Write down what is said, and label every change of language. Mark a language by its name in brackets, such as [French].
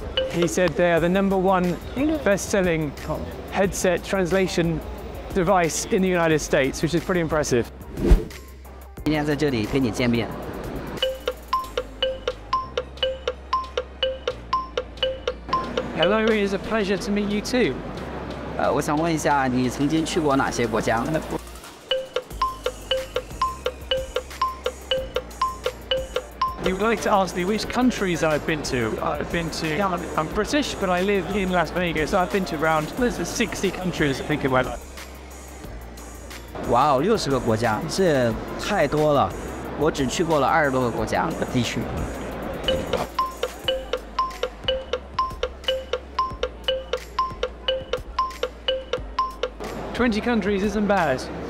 [English] He said they are the number one best-selling headset translation device in the United States, which is pretty impressive. Hello, it is a pleasure to meet you too. [Chinese] 我想问一下，你曾经去过哪些国家？ [English] You'd like to ask me which countries I've been to. I've been to, I'm British, but I live in Las Vegas, so I've been to around 60 countries, I think it went. [Chinese] Wow, 60个国家，这太多了。我只去过了20多个国家和地区。 [English] 20 countries isn't bad.